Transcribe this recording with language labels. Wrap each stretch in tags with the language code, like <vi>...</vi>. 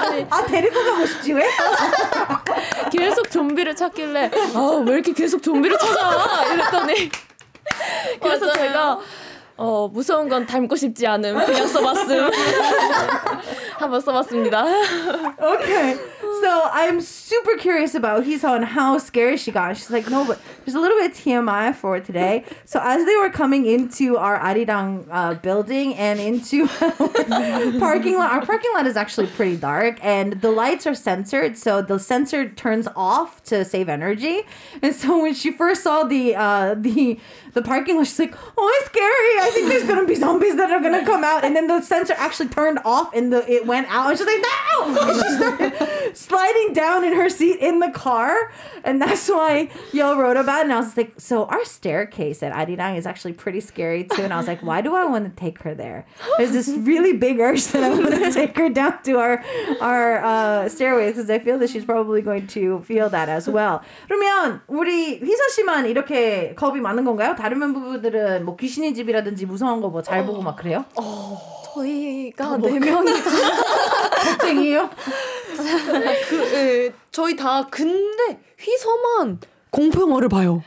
<ko>아 데리고 가고 싶지 왜? 계속 좀비를 찾길래 왜 이렇게 계속 좀비를 찾아? 이랬더니 그래서 맞아요. 제가 무서운 건 닮고 싶지 않음 그냥 써봤음. 한번 써봤습니다.</ko> <en>Okay. So I'm super curious about Hisa and how scared she got. She's like, no, but there's a little bit of TMI for today. So as they were coming into our Arirang building and into our parking lot, our parking lot is actually pretty dark and the lights are censored. So the sensor turns off to save energy. And so when she first saw the parking lot, she's like, oh, it's scary. I think there's going to be zombies that are going to come out. And then the sensor actually turned off and it went out. And she's like, no! And she started sliding down in her seat in the car. And that's why Yo wrote about it. And I was like, so our staircase at Arirang is actually pretty scary too. And I was like, why do I want to take her there? There's this really big urge that I want to take her down to our stairway. Because I feel that she's probably going to feel that as well.</en> <ko>그러면 우리 휘서 씨만 이렇게 겁이 많은 건가요? 다른 멤버들은 뭐 귀신의 집이라든지 무서운 거 뭐 잘 보고 막 그래요? 저희가 네 명이 다 걱정이에요? 저희 다 근데 휘서만 공포 영화를 봐요.</ko>